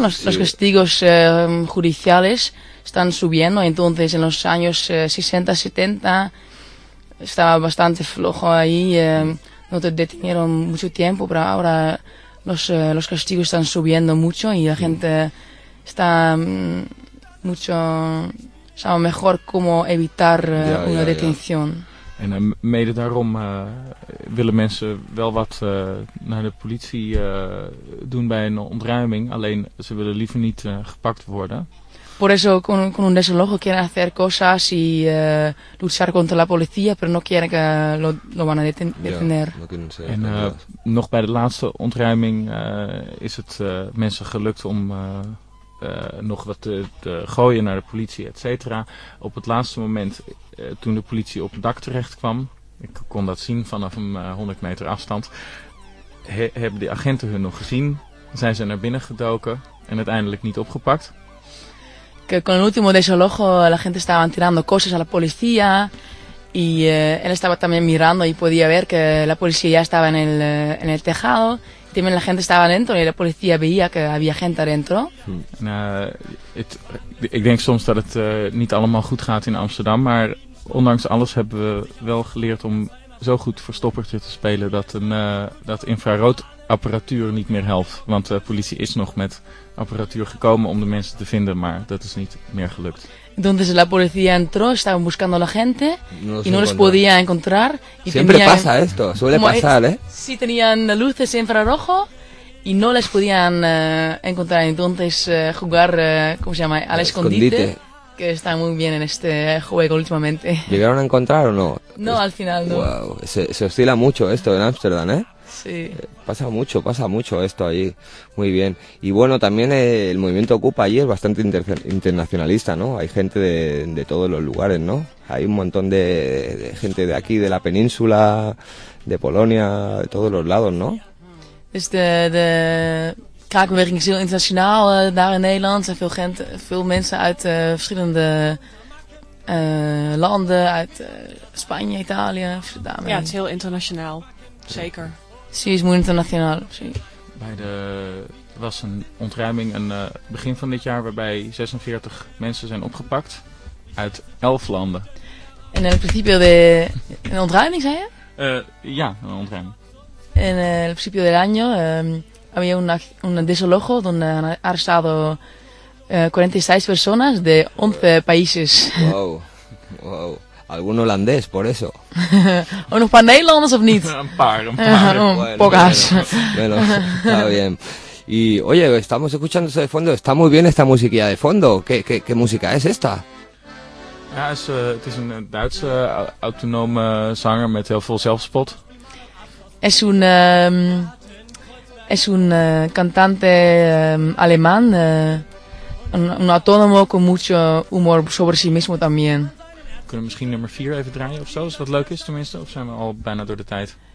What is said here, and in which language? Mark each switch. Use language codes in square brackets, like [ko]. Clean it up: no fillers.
[es] Los castigos judiciales están subiendo, entonces en los años 60, 70 estaba bastante flojo ahí, no te detenieron mucho tiempo, pero ahora los castigos están subiendo mucho y la gente está mucho sabe mejor cómo evitar una detención. [nl] En mede daarom willen mensen wel wat naar de politie doen bij een ontruiming, alleen ze willen liever niet gepakt worden. [es] Por eso con un desalojo quieren hacer cosas y luchar contra la policía, pero no quieren que lo van a detener. [nl] En nog bij de laatste ontruiming is het mensen gelukt om nog wat te gooien naar de politie, et cetera. Op het laatste moment, toen de politie op het dak terecht kwam, ik kon dat zien vanaf een 100 meter afstand, hebben de agenten hun nog gezien, zijn ze naar binnen gedoken en uiteindelijk niet opgepakt. [es] Que con el último desalojo la gente estaba tirando cosas a la policía y él estaba también mirando y podía ver que la policía ya estaba en el tejado. Y también la gente estaba dentro y la policía veía que había gente adentro. [nl] Ik denk soms dat het niet allemaal goed gaat in Amsterdam, maar ondanks alles hebben we wel geleerd om zo goed verstoppertje te spelen dat dat infrarood apparatuur niet meer helpt, want de politie is nog met apparatuur gekomen om de mensen te vinden, maar dat is niet meer gelukt. [es] Entonces la policía entró, estaban buscando a la gente y no los podía encontrar. Siempre pasa esto, suele pasar, ¿eh? Sí, tenían luces infrarrojo y no les podían encontrar. Entonces jugar, ¿cómo se llama? Al escondite. Que está muy bien en este juego últimamente. ¿Llegaron a encontrar o no? No, al final no. Wow, se oscila mucho esto en Ámsterdam, ¿eh? Sí. Pasa mucho esto ahí. Muy bien. Y bueno, también el movimiento Ocupa allí es bastante internacionalista, ¿no? Hay gente de todos los lugares, ¿no? Hay un montón de gente de aquí, de la península, de Polonia, de todos los lados, ¿no? [nl] Es de Krakenbeweging is heel internationaal daar in Nederland. Er zijn veel mensen uit verschillende landen, uit Spanje, Italië. Ja, het is heel internationaal, zeker. [es] Sí, es muy internacional, sí. [nl] Bij de was een ontruiming een begin van dit jaar waarbij 46 mensen zijn opgepakt uit 11 landen. En in principe de een ontruiming, zei je? Ja, een ontruiming. En in principe [es] del año había un desalojo donde han arrestado 46 personas de 11 países. Wow. ¿Algún holandés por eso? ¿O un par Nederlanders o no? Un par. Pocas. Menos. Está bien. Y oye, estamos escuchando eso de fondo. Está muy bien esta musiquilla de fondo. ¿Qué música es esta? [nl] Ja, het is een Duitse autonome zanger met heel veel zelfspot. [es] Es un cantante alemán, un autónomo con mucho humor sobre sí mismo también. [nl] Kunnen we misschien nummer 4 even draaien of zo, als wat leuk is tenminste, of zijn we al bijna door de tijd?